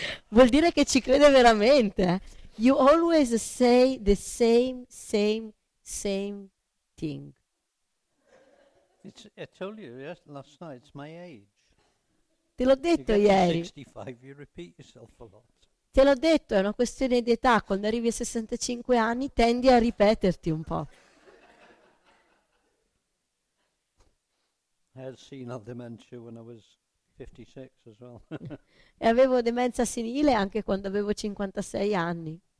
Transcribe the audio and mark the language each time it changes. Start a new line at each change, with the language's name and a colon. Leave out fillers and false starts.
Italian: Vuol dire che ci crede veramente.
English: You always say the same thing. I told you last night, it's my age.
Italian: Te l'ho detto ieri.
English: 65, you repeat yourself a lot.
Italian: Te l'ho detto, è una questione di età. Quando arrivi a 65 anni, tendi a ripeterti un po'.
English: I had senile dementia when I was 56 as well.
Italian: E avevo demenza senile anche quando avevo 56 anni.